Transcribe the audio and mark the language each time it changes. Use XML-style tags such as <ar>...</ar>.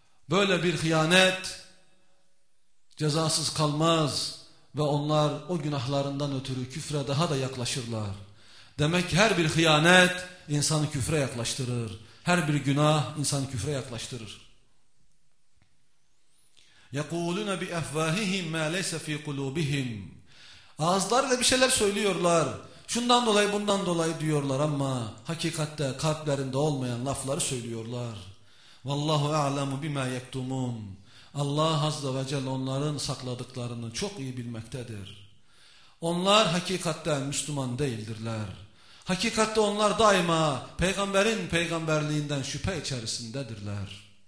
<tr>Böyle bir hıyanet cezasız kalmaz. Ve onlar o günahlarından ötürü küfre daha da yaklaşırlar. Demek ki her bir hıyanet insanı küfre yaklaştırır. Her bir günah insanı küfre yaklaştırır.</tr> <ar>يَقُولُونَ بِأَفْوَاهِهِمْ مَا لَيْسَ فِي قُلُوبِهِمْ</ar> <tr>Ağızlarıyla bir şeyler söylüyorlar. Şundan dolayı, bundan dolayı diyorlar ama hakikatte kalplerinde olmayan lafları söylüyorlar.</tr> <ar>وَاللّٰهُ اَعْلَمُ بِمَا يَكْتُمُونَ</ar> <tr>Allah Azze ve Celle onların sakladıklarını çok iyi bilmektedir. Onlar hakikatte Müslüman değildirler. Hakikatte onlar daima peygamberin peygamberliğinden şüphe içerisindedirler.</tr>